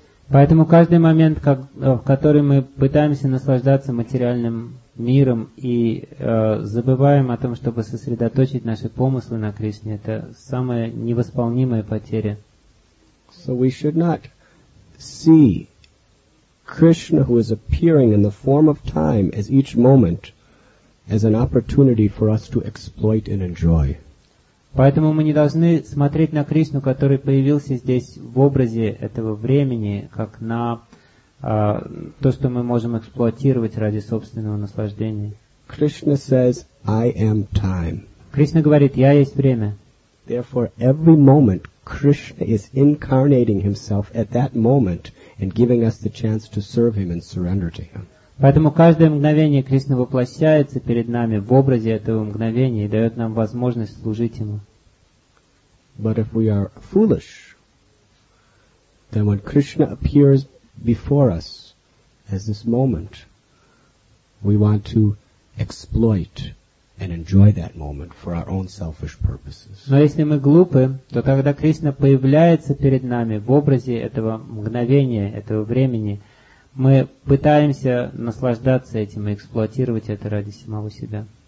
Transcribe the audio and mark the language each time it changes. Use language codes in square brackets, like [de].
[ru] Поэтому каждый момент, в который мы пытаемся наслаждаться материальным миром и забываем о том, чтобы сосредоточить наши помыслы на Кришне, это самая невосполнимая потеря. [en] So we should not see Krishna, who is appearing in the form of time as each moment, as an opportunity for us to exploit and enjoy. [ru] Поэтому мы не должны смотреть на Кришну, который появился здесь в образе этого времени, как на то, что мы можем эксплуатировать ради собственного наслаждения. [en] Krishna says, "I am time." [ru] Кришна говорит, "Я есть время." [en] Therefore, every moment Krishna is incarnating himself at that moment and giving us the chance to serve him and surrender to him. [ru] Поэтому каждое мгновение Кришна воплощается перед нами в образе этого мгновения и дает нам возможность служить ему. [en] But if we are foolish, then when Krishna appears before us as this moment, we want to exploit and enjoy that moment for our own selfish purposes. [ru] Но если мы глупы, то тогда Кришна появляется перед нами в образе этого мгновения, этого времени, мы пытаемся наслаждаться этим и эксплуатировать это ради самого себя.